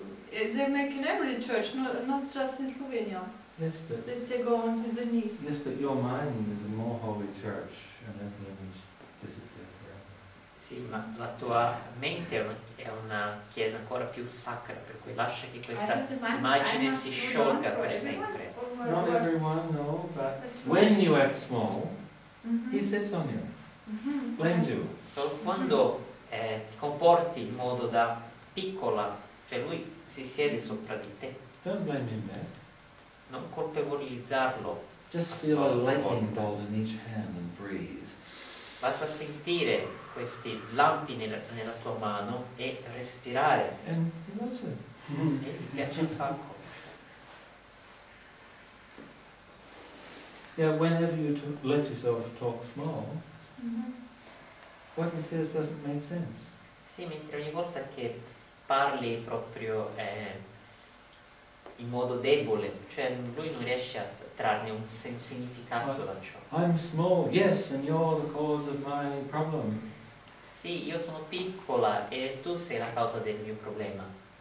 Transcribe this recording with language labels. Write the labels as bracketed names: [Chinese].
[English] They're making every church, not just in Slovenia. Yes, but they go on to the knees. Yes, but your mind is a more holy church, and that image disappears forever. [Italian] Sì, ma la tua mente è una chiesa ancora più sacra, per cui lascia che questa immagine si sciolga per sempre. [English] Not everyone, no, but when you act small, mm-hmm. he sits on you. Mm-hmm. When you. [Italian] So quando ti comporti in modo da piccola, cioè lui si siede sopra di te. [English] Don't blame him, man. [Italian] Non colpevolizzarlo. [English] Just feel a lightning bolt in each hand and breathe. [Italian] Basta sentire questi lampi nella tua mano e respirare. [English] And he loves it. [Italian] Mm-hmm. E ti piace un sacco. [English] Yeah, whenever you let yourself talk small, mm-hmm. what he says doesn't make sense. [Italian] Sì, mentre ogni volta che parli proprio in modo debole, cioè lui non riesce a trarne un significato da ciò. [English] I'm small, yes, and you're the cause of my problem. [Italian] Sì, io sono piccola e tu sei la causa del mio problema.